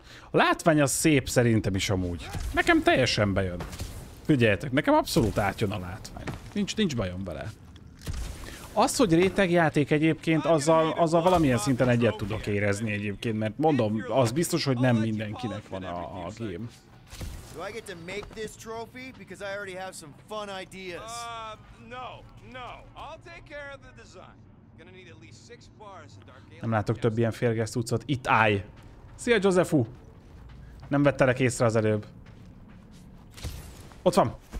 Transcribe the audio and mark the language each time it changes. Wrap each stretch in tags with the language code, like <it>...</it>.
<hu>A látvány az szép szerintem is amúgy. Nekem teljesen bejön. Figyeljetek, nekem abszolút átjön a látvány. Nincs bajom vele. Az, hogy rétegjáték egyébként, azzal valamilyen szinten egyet tudok érezni egyébként, mert mondom, az biztos, hogy nem mindenkinek van a game.</hu> <en>Do I get to make this trophy? Because I already have some fun ideas. No. I'll take care of the design. Gonna need at least 6 bars of dark alien.</en> <hu>Nem látok több ilyen férges cuccot. Itt állj! Szia, Josephu! Nem vettelek észre az előbb. Ott van!</hu>